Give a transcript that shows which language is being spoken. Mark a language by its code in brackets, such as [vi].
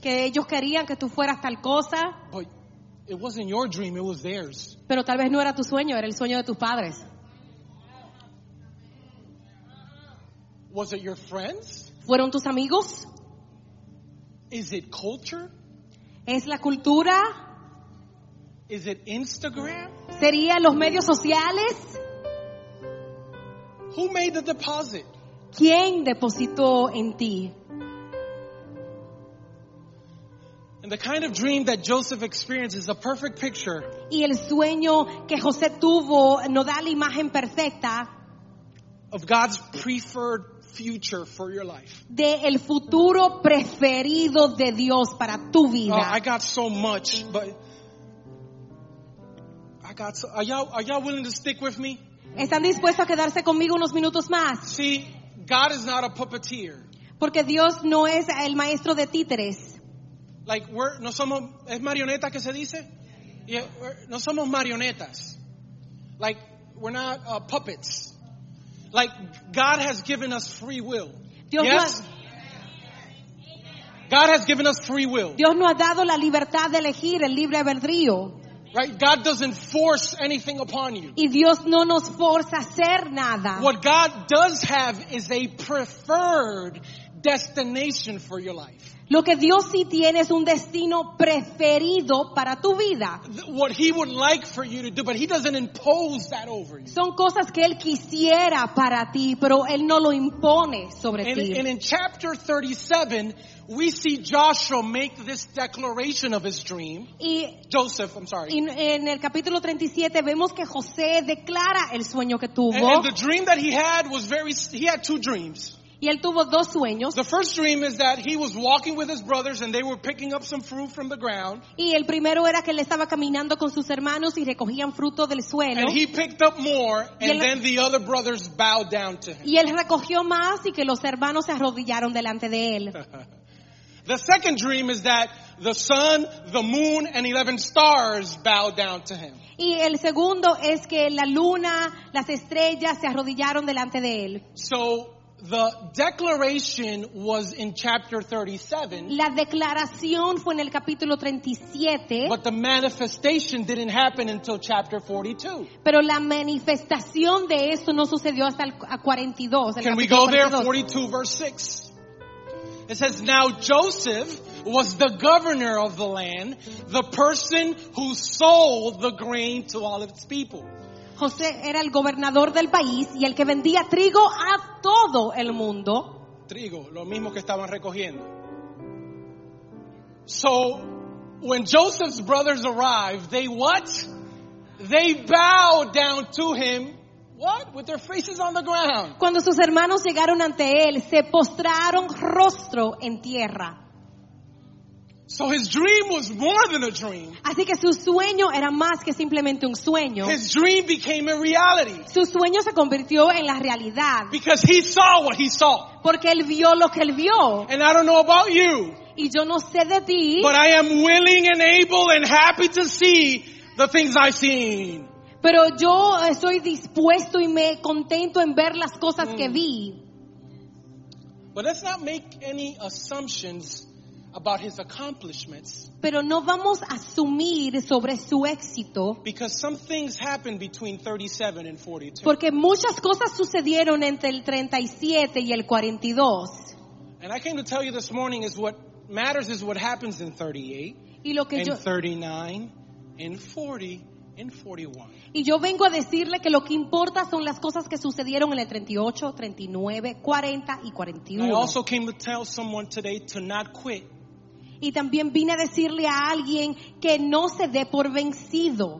[es] ¿Que ellos querían que tú fueras tal cosa? [en] But it wasn't your dream, it was theirs. [es] Pero tal vez no era tu sueño, era el sueño de tus padres. [en] Was it your friends? [es] ¿Fueron tus amigos? [en] Is it culture? [es] ¿Es la cultura? [en] Is it Instagram? [es] ¿Serían los medios sociales? [en] Who made the deposit? [es] ¿Quién depositó en ti? [en] And the kind of dream that Joseph experienced is a perfect picture. [es] Y el sueño que José tuvo nos da la imagen perfecta [en] of God's preferred future for your life. [es] De el futuro preferido de Dios para tu vida. [en] I got so much, but I got so, are y'all willing to stick with me? [es] ¿Están dispuestos a quedarse conmigo unos minutos más? [en] See, God is not a puppeteer. [es] Porque Dios no es el maestro de títeres. [en] Like we're [es] no somos es marioneta que se dice? Yeah, no somos marionetas. [en] Like we're not puppets. Like God has given us free will. [es] Dios [en] yes. God has given us free will. [es] Dios nos ha dado la libertad de elegir el libre albedrío. [en] Right? God doesn't force anything upon you. [es] Y Dios no nos forza a hacer nada. [en] What God does have is a preferred destination for your life. [es] Lo que Dios sí tiene es un destino preferido para tu vida. [en] What he would like for you to do, but he doesn't impose that over you. [es] Son cosas que él quisiera para ti, pero él no lo impone sobre ti. [en] And in chapter 37, we see Joshua make this declaration of his dream. Joseph, I'm sorry. [es] En el capítulo 37 vemos que José declara el sueño que tuvo. [en] And the dream that he had was very, he had two dreams. [es] Y él tuvo dos sueños. [en] The first dream is that he was walking with his brothers and they were picking up some fruit from the ground. [es] Y el primero era que él estaba caminando con sus hermanos y recogían fruto del suelo. [en] And he picked up more and then the other brothers bowed down to him. [es] Y él recogió más y que los hermanos se arrodillaron delante de él. [en] The second dream is that the sun, the moon, and 11 stars bowed down to him. [es] Y el segundo es que la luna, las estrellas se arrodillaron delante de él. [en] So the declaration was in chapter 37. [es] La declaración fue en el capítulo 37. [en] But the manifestation didn't happen until chapter 42. [es] Pero la manifestación de eso no sucedió hasta el 42. [en] Can we go there? 42 verse 6. It says, now Joseph was the governor of the land, the person who sold the grain to all of its people. [es] José era el gobernador del país y el que vendía trigo a todo el mundo. Trigo, lo mismo que estaban recogiendo. [en] So, when Joseph's brothers arrived, they what? They bowed down to him, what? With their faces on the ground. [es] Cuando sus hermanos llegaron ante él, se postraron rostro en tierra. [en] So his dream was more than a dream. [es] Así que su sueño era más que simplemente un sueño. [en] His dream became a reality. [es] Su sueño se convirtió en la realidad. [en] Because he saw what he saw. [es] Porque él vio lo que él vio. [en] And I don't know about you. [es] Y yo no sé de ti. [en] But I am willing and able and happy to see the things I've seen. [es] Pero yo estoy dispuesto y me contento en ver las cosas que vi. [en] But let's not make any assumptions about his accomplishments. [es] Pero no vamos a asumir sobre su éxito. [en] Because some things happened between 37 and 42. [es] Porque muchas cosas sucedieron entre el 37 y el 42. [en] And I came to tell you this morning is what matters is what happens in 38, [es] y lo que [en] in [es] yo, [en] 39, in 40, in 41. [es] Y yo vengo a decirle que lo que importa son las cosas que sucedieron en el 38, 39, 40 y 41. [en] I also came to tell someone today to not quit. [es] Y también vine a decirle a alguien que no se dé por vencido.